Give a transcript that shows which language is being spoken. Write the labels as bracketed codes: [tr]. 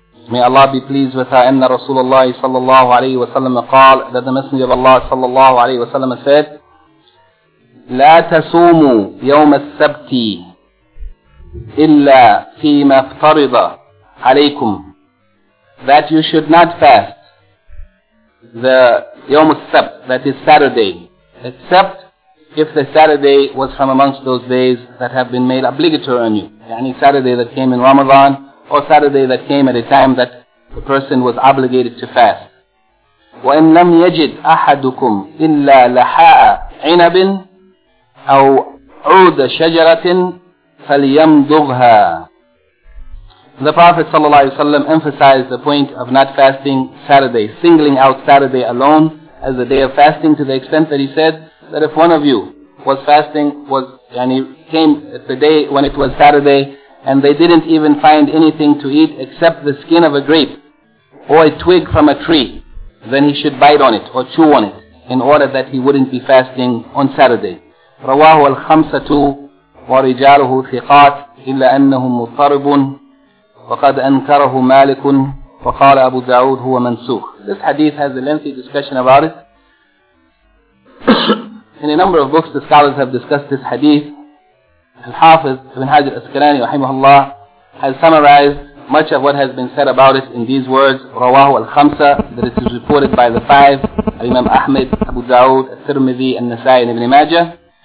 [en] May Allah be pleased with her. [ar] أن رسول الله صلى الله عليه وسلم قال. [en] That the Messenger of Allah [ar] صلى الله عليه وسلم said, لا تصوموا يوم السبت إلا فيما افترض عليكم. [en] That you should not fast the Yom al-Sabt, that is Saturday, except if the Saturday was from amongst those days that have been made obligatory on you. Any Saturday that came in Ramadan, or Saturday that came at a time that the person was obligated to fast. [ar] وَإِن لَمْ يَجِدْ أَحَدُكُمْ إِلَّا لَحَاءَ عِنَبٍ أَوْ عُودَ شَجَرَةٍ فَلْيَمْضُغْهَا. [en] The Prophet ﷺ emphasized the point of not fasting Saturday, singling out Saturday alone as a day of fasting, to the extent that he said that if one of you was fasting, came at the day when it was Saturday, and they didn't even find anything to eat except the skin of a grape or a twig from a tree, then he should bite on it or chew on it in order that he wouldn't be fasting on Saturday. [ar] رواه الخمسة ورجاله ثقات إلا أنه مضطرب وقد أنكره مالك وقال أبو داود هو منسوخ. [en] This hadith has a lengthy discussion about it. In a number of books, the scholars have discussed this hadith. Al-Hafiz Ibn Hajar Asqalani رحمه الله has summarized much of what has been said about it in these words, [ar] رواه الخمسة, [en] that it is reported by the five, Imam Ahmed, Abu Dawood, Al-Tirmidhi, Al-Nasai, and Ibn Majah.